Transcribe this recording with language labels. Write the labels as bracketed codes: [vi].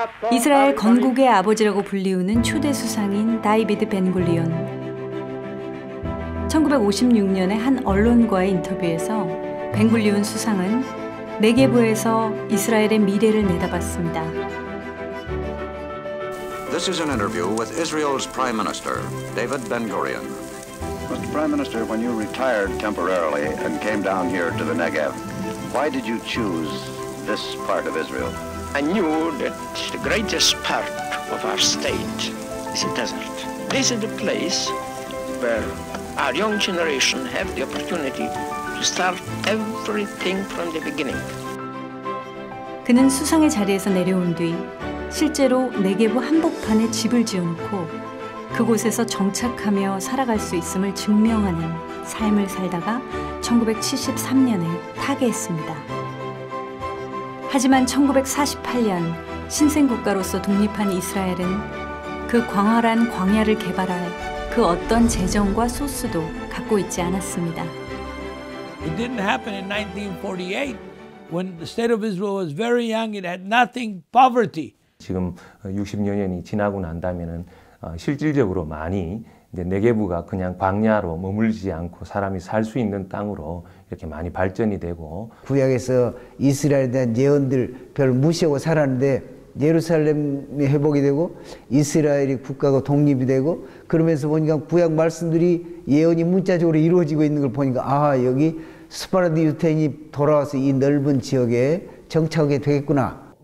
[ko] 이스라엘 건국의 아버지라고 불리우는 초대 수상인 다이비드 벤골리온. 1956년에 한 언론과의 인터뷰에서 벤골리온 수상은 네게브에서 이스라엘의 미래를 내다봤습니다. [en] This is an interview with Israel's Prime Minister, David Ben-Gurion. Mr. Prime Minister, when you retired temporarily and came down here to the Negev, why did you choose this part of Israel? I knew that the greatest part of our state is a desert. This is the place where our young generation have the opportunity to start everything from the beginning. [ko] 그는 수상의 자리에서 내려온 뒤 실제로 네게브 한복판에 집을 지어놓고 그곳에서 정착하며 살아갈 수 있음을 증명하는 삶을 살다가 1973년에 타계했습니다. 하지만 1948년 신생국가로서 독립한 이스라엘은 그 광활한 광야를 개발할 그 어떤 재정과 소스도 갖고 있지 않았습니다. [en] It didn't happen in 1948 when the state of Israel was very young. It had nothing, poverty. [ko] 지금 60년이 지나고 난다면은 실질적으로 많이 이제 네게부가 그냥 광야로 머물지 않고 사람이 살 수 있는 땅으로 이렇게 많이 발전이 되고, 구약에서 이스라엘에 대한 예언들 별로 무시하고 살았는데 예루살렘이 회복이 되고 이스라엘이 국가가 독립이 되고 그러면서 보니까 구약 말씀들이 예언이 문자적으로 이루어지고 있는 걸 보니까 아 여기 스파르디 유태인이 돌아와서 이 넓은 지역에 정착하게 되겠구나.